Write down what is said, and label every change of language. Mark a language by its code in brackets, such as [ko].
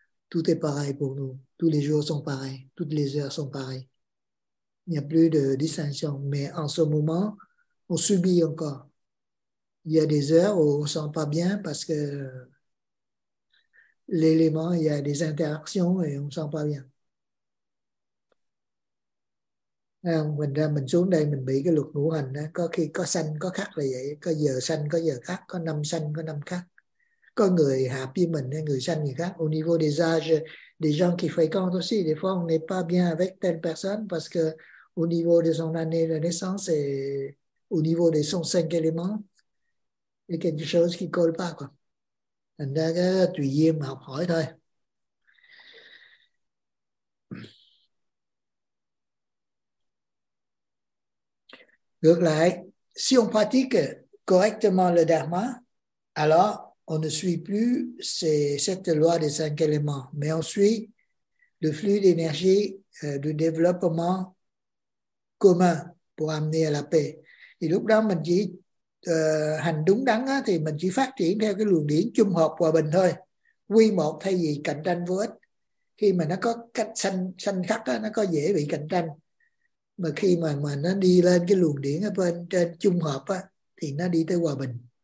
[fr] Tout est pareil pour nous. Tous les jours sont pareils. Toutes les heures sont pareilles. Il n'y a plus de distinction. Mais en ce moment, on subit encore. Il y a des heures où on ne sent pas bien parce que l'élément, il y a des interactions et on ne sent pas bien. [vi] Mình ra mình xuống đây mình bị cái luật ngũ hành đó, có khi có sanh có khắc là vậy, có giờ sanh có giờ khắc, có năm sanh có năm khắc, có người hợp với mình hay người sanh người khác. [fr] Au niveau des âges, des gens qui fréquentent aussi, des fois on n'est pas bien avec telle personne parce que au niveau de son année de naissance et au niveau de son cinq éléments, il y a quelque chose qui colle pas quoi. [vi] Thành ra cái tùy duyên mà học hỏi thôi. Ngược lại, [fr] si on pratique correctement le dharma, alors on ne suit plus cette loi des cinq éléments, mais on suit le flux d'énergie du développement commun pour amener à la paix. Et [vi] lúc đó mình chỉ hành đúng đắn á, thì mình chỉ phát triển theo cái luồng điển chung hợp hòa bình thôi, quy một thay vì cạnh tranh vô ích. Khi mà nó có cách sanh khắc á, nó có dễ bị cạnh tranh. Mà khi mà nó đi lên cái luồng điển ở bên trên trung hợp á, thì nó đi tới hòa bình.